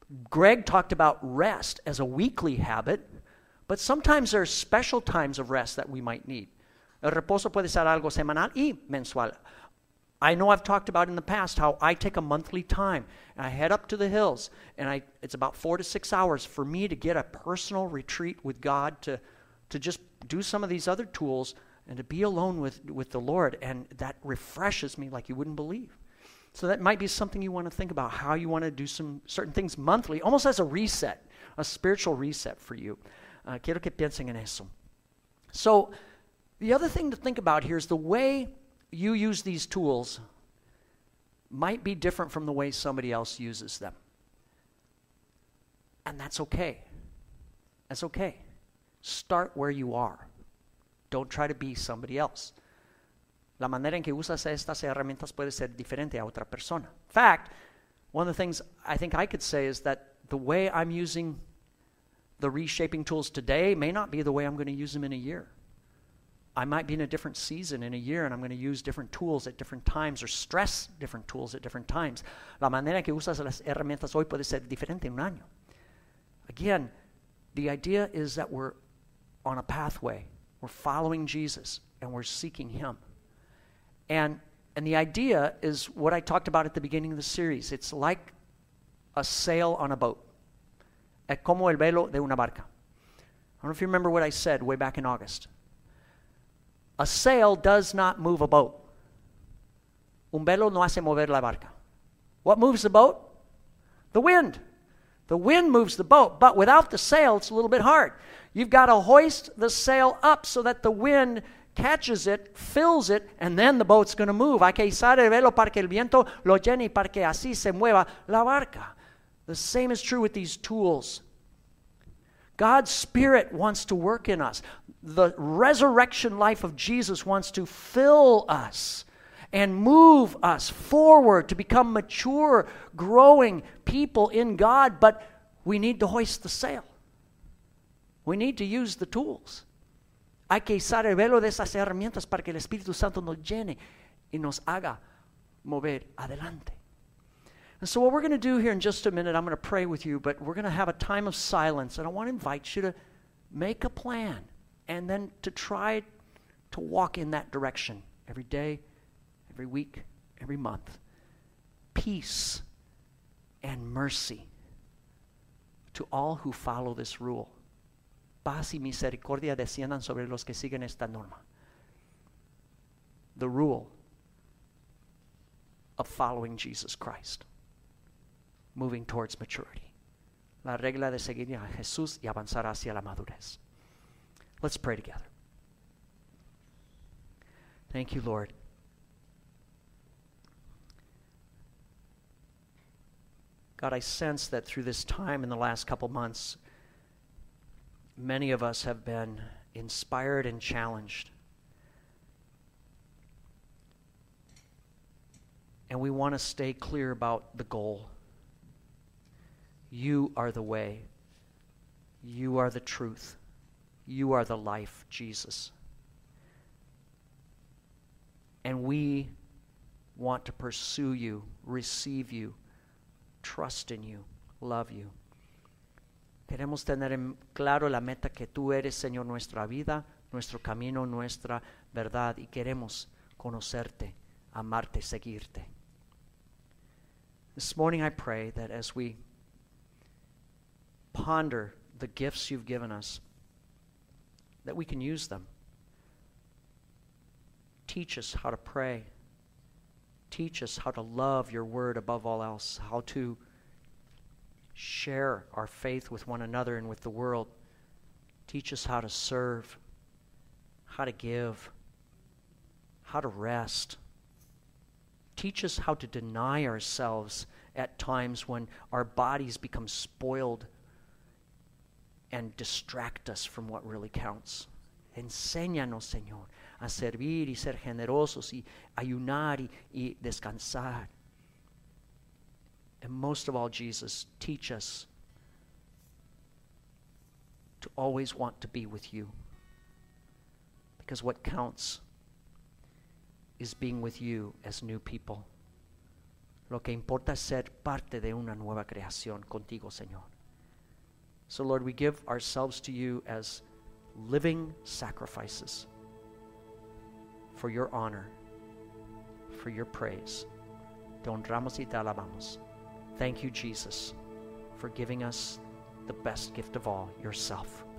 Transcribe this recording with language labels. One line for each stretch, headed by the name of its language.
English: Greg talked about rest as a weekly habit, but sometimes there are special times of rest that we might need.
Spanish: El reposo puede ser algo semanal y mensual.
English: I know I've talked about in the past how I take a monthly time and I head up to the hills and it's about 4 to 6 hours for me to get a personal retreat with God to just do some of these other tools and to be alone with the Lord, and that refreshes me like you wouldn't believe. So that might be something you want to think about, how you want to do some certain things monthly, almost as a reset, a spiritual reset for you.
Spanish: Quiero que piensen en eso.
English: So the other thing to think about here is the way you use these tools might be different from the way somebody else uses them. And that's okay. That's okay. Start where you are. Don't try to be somebody else.
Spanish: La manera en que usas estas herramientas puede ser diferente a otra persona.
English: In fact, one of the things I think I could say is that the way I'm using the reshaping tools today may not be the way I'm going to use them in a year. I might be in a different season in a year, and I'm going to use different tools at different times or stress different tools at different times.
Spanish: La manera que usas las herramientas hoy puede ser diferente en un año.
English: Again, the idea is that we're on a pathway. We're following Jesus, and we're seeking him. And the idea is what I talked about at the beginning of the series. It's like a sail on a boat.
Spanish: Es como el velo de una barca.
English: I don't know if you remember what I said way back in August. A sail does not move a boat.
Spanish: Un velo no hace mover la barca.
English: What moves the boat? The wind. The wind moves the boat, but without the sail, it's a little bit hard. You've got to hoist the sail up so that the wind catches it, fills it, and then the boat's going to move.
Spanish: Hay que izar el velo para que el viento lo llene y para que así se mueva la barca.
English: The same is true with these tools. God's Spirit wants to work in us. The resurrection life of Jesus wants to fill us and move us forward to become mature, growing people in God, but we need to hoist the sail. We need to use the tools.
Spanish: Hay que usar el velo de esas herramientas para que el Espíritu Santo nos llene y nos haga mover adelante.
English: And so what we're going to do here in just a minute, I'm going to pray with you, but we're going to have a time of silence, and I want to invite you to make a plan and then to try to walk in that direction every day, every week, every month. Peace and mercy to all who follow this rule.
Spanish: Paz y misericordia desciendan sobre los que siguen esta norma.
English: The rule of following Jesus Christ, moving towards maturity.
Spanish: La regla de seguir a Jesús y avanzar hacia la madurez.
English: Let's pray together. Thank you, Lord. God, I sense that through this time in the last couple months, many of us have been inspired and challenged. And we want to stay clear about the goal. You are the way. You are the truth. You are the life, Jesus. And we want to pursue you, receive you, trust in you, love you.
Spanish: Queremos tener en claro la meta que tú eres, Señor, nuestra vida, nuestro camino, nuestra verdad. Y queremos conocerte, amarte, seguirte.
English: This morning I pray that as we ponder the gifts you've given us, that we can use them. Teach us how to pray. teach us how to love your word above all else, how to share our faith with one another and with the world. Teach us how to serve, how to give, how to rest. Teach us how to deny ourselves at times when our bodies become spoiled and distract us from what really counts.
Spanish: Enséñanos, Señor, a servir y ser generosos y ayunar y descansar.
English: And most of all, Jesus, teach us to always want to be with you. Because what counts is being with you as new people.
Spanish: Lo que importa es ser parte de una nueva creación contigo, Señor.
English: So, Lord, we give ourselves to you as living sacrifices for your honor, for your praise.
Spanish: Te honramos y te alabamos.
English: Thank you, Jesus, for giving us the best gift of all, yourself.